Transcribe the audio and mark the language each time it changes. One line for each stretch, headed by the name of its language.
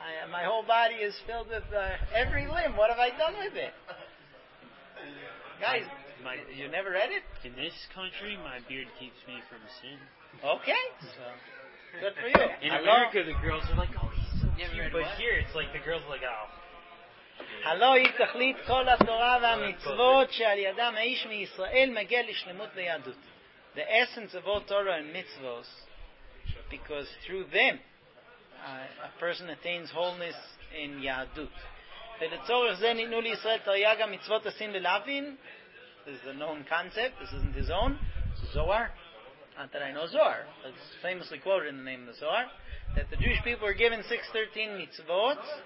English: My whole body is filled with every limb. What have I done with it? Guys, you never read it? In this country, my beard keeps me from sin. Okay. So, good for you. In Hello? America, the girls are like, oh, he's so cute. Yeah, but here, it's like the girls are like, oh.
Hebrew: הלא היא תכלית כל התורה והמצוות שעל ידם האיש מישראל מגיע לשלמות ביהדות.
English: The essence of all Torah and mitzvos, because through them, a person attains wholeness in Yahdut.
Hebrew: ולצורך זה ניתנו לישראל תרי"ג המצוות הסין ולהבין.
English: This is a known concept, this isn't his own. Zohar. Not that I know Zohar, but it's famously quoted in the name of the Zohar. That the Jewish people were given 613 mitzvot.